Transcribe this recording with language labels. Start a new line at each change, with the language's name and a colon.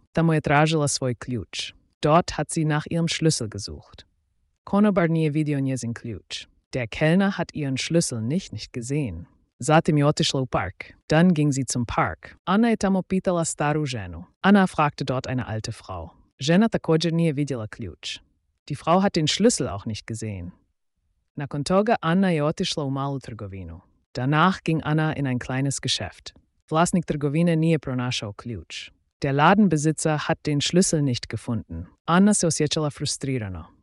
Croatian: Tamo je tražila svoj ključ.
German: Dort hat sie nach ihrem Schlüssel gesucht.
Croatian: Konobar nije vidio njezin ključ.
German: Der Kellner hat ihren Schlüssel nicht gesehen.
Croatian: Zatim je otišla u park.
German: Dann ging sie zum Park.
Croatian: Anna je tamo pitala staru ženu.
German: Anna fragte dort eine alte Frau.
Croatian: Žena također nije vidjela ključ.
German: Die Frau hat den Schlüssel auch nicht gesehen.
Croatian: Nakon toga Anna je otišla u malu trgovinu.
German: Danach ging Anna in ein kleines Geschäft.
Croatian: Vlasnik trgovine nije pronašao ključ.
German: Der Ladenbesitzer hat den Schlüssel nicht gefunden.
Croatian: Anna se osjećala frustrirano.